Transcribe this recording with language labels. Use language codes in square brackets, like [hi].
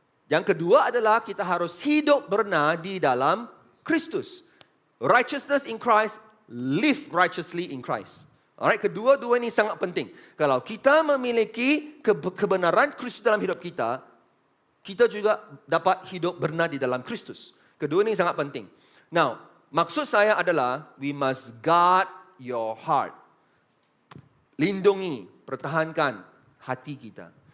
[id] Yang kedua adalah kita harus hidup benar di dalam Kristus. [en] Righteousness in Christ, live righteously in Christ. [id] Alright, kedua-dua ini sangat penting. Kalau kita memiliki kebenaran Kristus dalam hidup kita, kita juga dapat hidup benar di dalam Kristus. Kedua ini sangat penting. Now, maksud saya adalah, [en] we must guard your heart. [id] Lindungi, pertahankan hati kita.